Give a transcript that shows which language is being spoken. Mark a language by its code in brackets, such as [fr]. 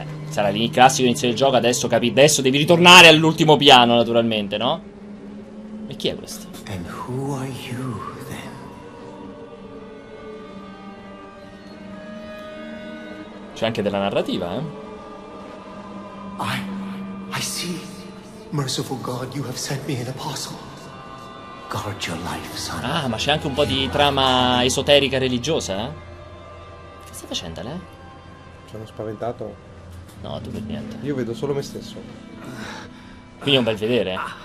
[it] Sarà lì il classico inizio del gioco, adesso capi... Adesso devi ritornare all'ultimo piano, naturalmente, no? E chi è questo? [en] And who are you, then? [it] C'è anche della narrativa, [en] I see. Merciful God, you have sent me an apostle. Guard your life, son. [it] Ah, ma c'è anche un po' di trama esoterica religiosa? Che stai facendo, lei? Sono spaventato. No, tu per niente. Io vedo solo me stesso. Quindi è un bel vedere.